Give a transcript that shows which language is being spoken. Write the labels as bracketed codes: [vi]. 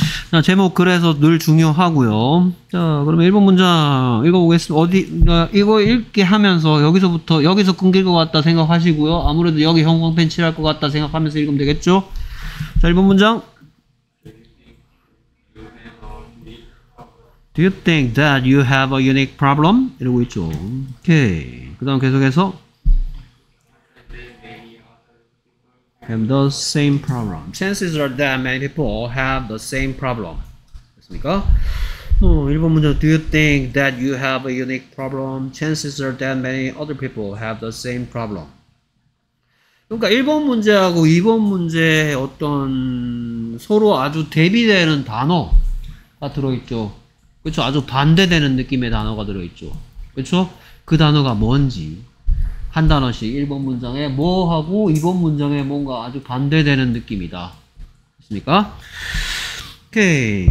[ko] 자, 제목 그래서 늘 중요하고요. 자, 그러면 1번 문장 읽어보겠습니다. 어디, 이거 읽게 하면서 여기서부터, 여기서 끊길 것 같다 생각하시고요. 아무래도 여기 형광펜 칠할 것 같다 생각하면서 읽으면 되겠죠? 자, 1번 문장. [en] Do you think that you have a unique problem? [ko] 이러고 있죠. 오케이. 그 다음 계속해서. [en] Have the same problem. Chances are that many people have the same problem. [ko] 됐습니까? 1번 문장, [en] Do you think that you have a unique problem? Chances are that many other people have the same problem. [ko] 그러니까 1번 문제하고 2번 문제의 어떤 서로 아주 대비되는 단어가 들어있죠. 그렇죠? 아주 반대되는 느낌의 단어가 들어있죠. 그렇죠? 그 단어가 뭔지. 한 단어씩 1번 문장에 뭐하고 2번 문장에 뭔가 아주 반대되는 느낌이다. 됐습니까? 오케이.